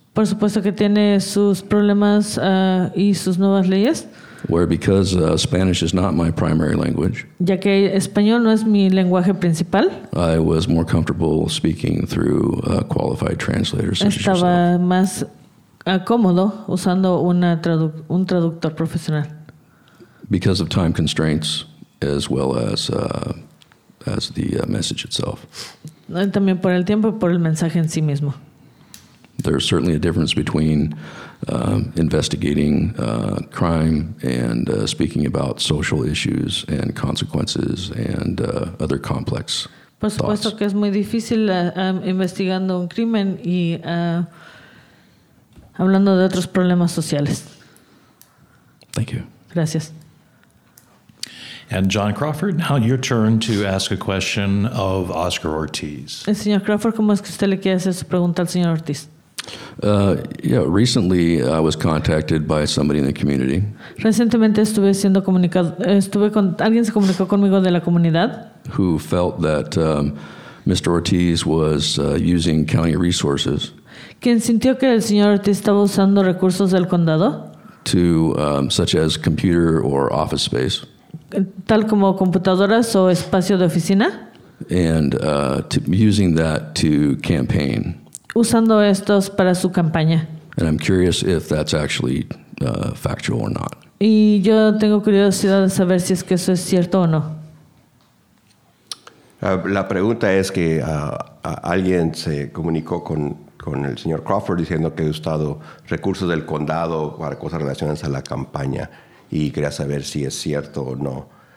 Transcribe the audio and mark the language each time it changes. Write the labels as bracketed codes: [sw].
[es] Por supuesto que tiene sus problemas y sus nuevas leyes. [en] Where because Spanish is not my primary language, [es] ya que español no es mi lenguaje principal, [en] I was more comfortable speaking through a qualified translator such as yourself. [es] Estaba más cómodo usando un traductor profesional. [en] Because of time constraints, as well as the message itself. [es] También por el tiempo y por el mensaje en sí mismo. [en] There's certainly a difference between investigating crime and speaking about social issues and consequences and other complex thoughts. [es] Por supuesto [en] thoughts. [es] Que es muy difícil investigando un crimen y hablando de otros problemas sociales. [en] Thank you. [es] Gracias. [en] And John Crawford, now your turn to ask a question of Oscar Ortiz. [es] Señor Crawford, ¿cómo es que usted le quiere hacer su pregunta al señor Ortiz? [en] Recently I was contacted by somebody in the community. [es] Recientemente estuve siendo comunicado, alguien se comunicó conmigo de la comunidad. [en] Who felt that Mr. Ortiz was using county resources. [es] ¿Quién sintió que el señor Ortiz estaba usando recursos del condado? [en] To such as computer or office space. [es] Tal como computadoras o espacio de oficina. [en] And to using that to campaign. [es] Usando estos para su campaña. [en] And I'm curious if that's actually factual or not. [es] Y yo tengo curiosidad de saber si es que eso es cierto o no. La pregunta es que alguien se comunicó con el señor Crawford diciendo que ha usado recursos del condado para cosas relacionadas a la campaña y quería saber si es cierto o no.